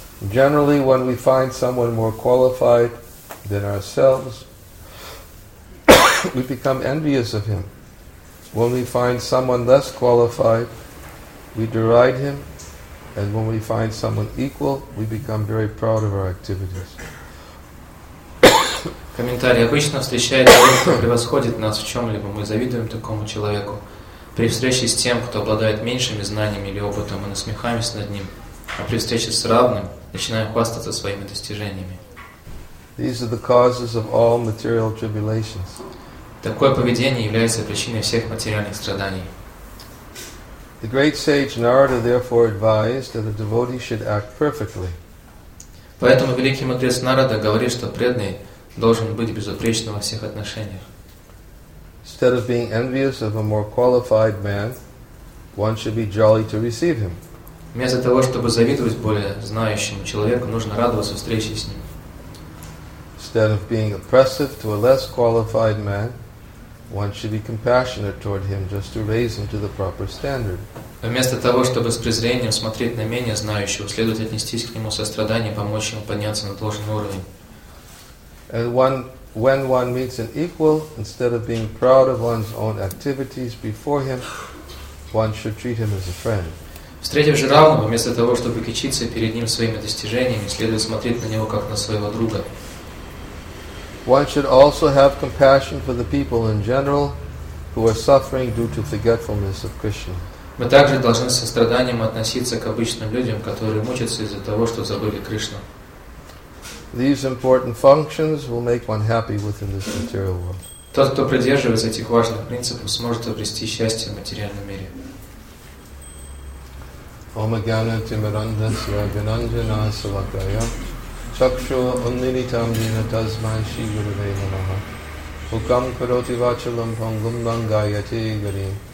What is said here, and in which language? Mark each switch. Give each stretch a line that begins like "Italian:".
English: Generally, when we find someone more qualified than ourselves, we become envious of him. When we find someone less qualified, we deride him, and when we find someone equal, we become very proud of our activities.
Russian: Комментарий. Обычно встречая человека, кто превосходит нас в чем-либо, мы завидуем такому человеку. При встрече с тем, кто обладает меньшими знаниями или опытом, мы насмехаемся над ним, а при встрече с равным начинаем хвастаться своими достижениями.
English: These are the causes of all material tribulations.
Russian: Такое поведение является причиной всех материальных страданий.
English: The great sage Narada therefore advised that a devotee should act perfectly.
Russian: Поэтому великий мудрец Нарада говорит, что преданный должен быть безупречен во всех отношениях.
English: Instead of being envious of a more qualified man, one should be jolly to receive him.
Russian: Вместо того, чтобы завидовать более знающему человеку, нужно радоваться встрече с ним.
English: Instead of being oppressive to a less qualified man, one should be compassionate toward him just to raise him to the proper standard.
Russian: Вместо того, чтобы с презрением смотреть на менее знающего, следует отнестись к нему со страданием, помочь ему подняться на должный уровень.
English: And when one meets an equal, instead of being proud of one's own activities before him, one should treat him as a friend.
Russian: Встретив же равного, вместо того, чтобы кичиться перед ним своими достижениями, следует смотреть на него как на своего друга.
English: One should also have compassion for the people in general who are suffering due to forgetfulness of Krishna.
Russian: Мы также должны со страданием относиться к обычным людям, которые мучаются из-за того, что забыли Кришну.
English: These important functions will make one happy within this material world.
Russian: Тот, кто придерживается этих важных принципов, сможет обрести счастье в материальном мире.
Sanskrit: Ома гана тимиранда сиаганандана савакая. Chakshu unnilitam dina tasmai shi gurave namaha. Ukam karoti vachalam pangum langayate gari.